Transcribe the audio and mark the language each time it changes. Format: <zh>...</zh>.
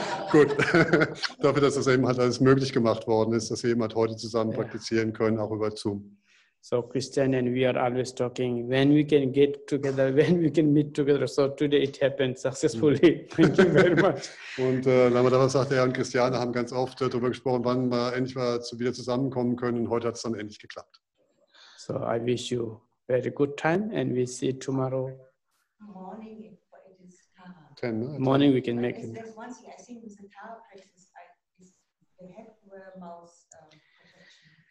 <de>Gut, dafür, dass das eben halt alles möglich gemacht worden ist, dass wir eben halt heute zusammen praktizieren können, auch über Zoom.</de> <en>So Christian and we are always talking, when we can get together, when we can meet together, so today it happened successfully. Thank you very much.</en> <de>Und Lama Dawa sagte, er und Christiane haben ganz oft darüber gesprochen, wann wir endlich mal wieder zusammenkommen können und heute hat es dann endlich geklappt.</de> <en>So I wish you very good time, and we see tomorrow. Morning, it is 10. Morning, we can make it. There's one thing, I think with the Teil crisis, they have to wear mouse protection.</en>